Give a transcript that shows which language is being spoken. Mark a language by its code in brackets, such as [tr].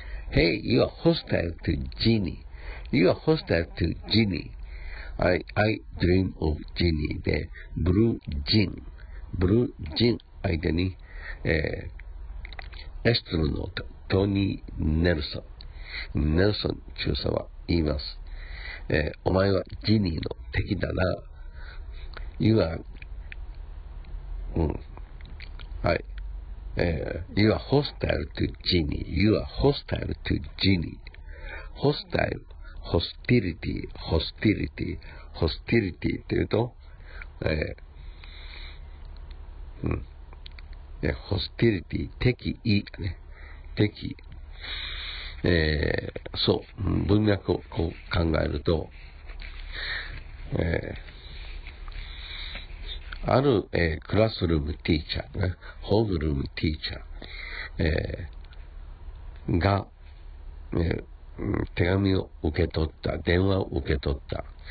[en] Hey, you are hostile to Genie. You are hostile to Genie. I dream of Genie. [ja] で、ブルージン間に、エストロノート、トニー・ネルソン。ネルソン中佐は言います。お前はジニーの敵だな。 [en] You are [ja] はい。 [en] You are hostile to genie. You are hostile to genie. Hostile, hostility, hostility, hostility [ja] っていうと、 [en] hostility, [ja] 敵意ね。敵。そう、文脈をこう考えると、ある、クラスルームティーチャー、ね、ホームルームティーチャー、が、手紙を受け取った、電話を受け取った。